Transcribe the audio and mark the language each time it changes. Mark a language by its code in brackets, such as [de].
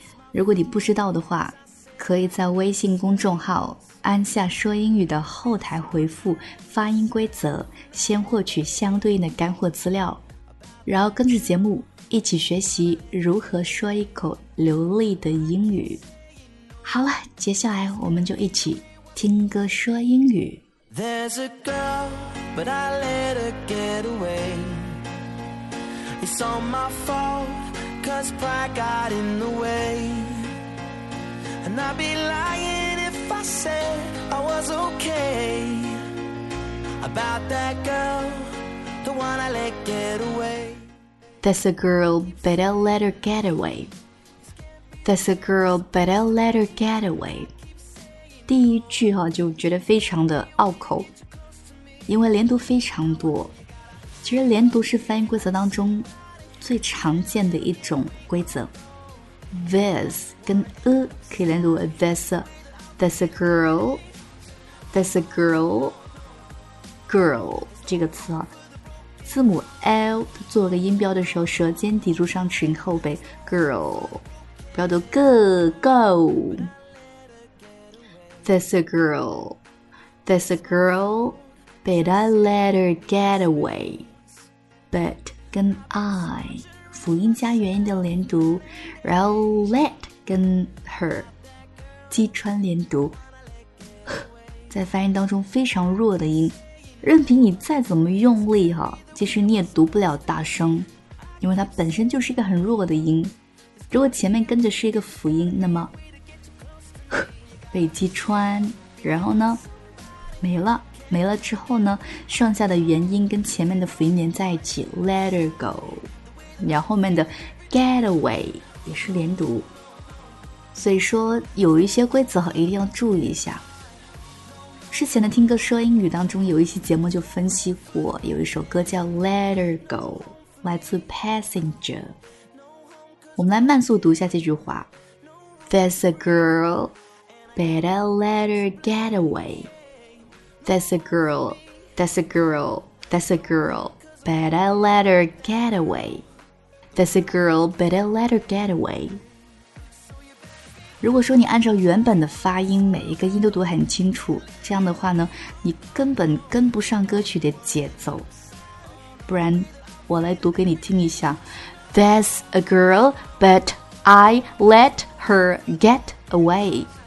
[zh] 如果你不知道的话，可以在微信公众号安夏说英语的后台回复发音规则，先获取相对应的干货资料，然后跟着节目一起学习如何说一口流利的英语。好了，接下来我们就一起听歌说英语。 [en] There's a girl, but I let her get awayIt's all my fault, cause pride got in the way. And I'd be lying if I said I was okay. About that girl, the one I let get away. That's a girl, but I let her get away. That's a girl, but I let her get away. [zh] 第一句哈，就觉得非常的拗口，因为连读非常多。其实连读是发音规则当中最常见的一种规则。 This 跟 a 可以连读 [en] this a, That's a girl, [zh] That's a girl, Girl 这个词啊，字母 L 做个音标的时候，舌尖抵住上唇后背， Girl 不要读 go, go. [en] That's a girl, That's a girl, But I let her get away. [zh] But跟 I 辅音加元音的连读，然后 let 跟 her 击穿连读，在发音当中非常弱的音，任凭你再怎么用力哈，其实你也读不了大声，因为它本身就是一个很弱的音。如果前面跟着是一个辅音，那么被击穿，然后呢没了。没了之后呢，剩下的元音跟前面的辅音连在一起 ， [en] let her go， [zh] 然后后面的 get away 也是连读，所以说有一些规则一定要注意一下。之前的听歌说英语当中有一期节目就分析过，有一首歌叫 let her go， 来自 Passenger。我们来慢速读一下这句话 ： [en] There's a girl, but I let her get away. That's a girl, that's a girl, that's a girl, but I let her get away. That's a girl, but I let her get away. [zh] 如果说你按照原本的发音，每一个音都读很清楚，这样的话呢，你根本跟不上歌曲的节奏。不然，我来读给你听一下。 [en] That's a girl, but I let her get away.